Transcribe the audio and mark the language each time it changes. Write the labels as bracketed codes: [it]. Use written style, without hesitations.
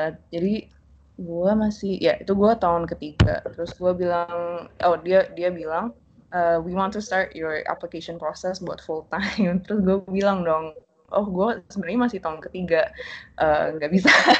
[id] Jadi gue masih ya itu gue tahun ketiga. Terus gue bilang, oh dia dia bilang [en] we want to start your application process [id] buat full time. Terus gue bilang dong, oh gue sebenarnya masih tahun ketiga, nggak bisa.